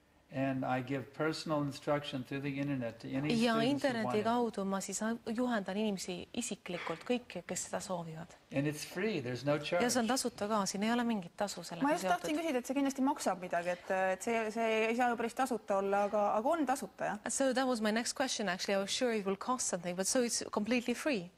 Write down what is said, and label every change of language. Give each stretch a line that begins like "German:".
English: And I give personal instruction through the internet to any
Estonian: student. Ja interneti kautta ma siis juhendan inimesi isiklikult kõik, kes seda soovivad.
English: And it's free, there's no charge.
Estonian: Ja see on tasuta ka, siin ei ole mingit tasu selle kohta. Ma just tahtsin küsida, et see kindlasti maksab midagi, et see ei saa ju päris tasuta olla, aga on tasuta, ja?
English: So that was my next question actually. I was sure it will cost something, but so it's completely free.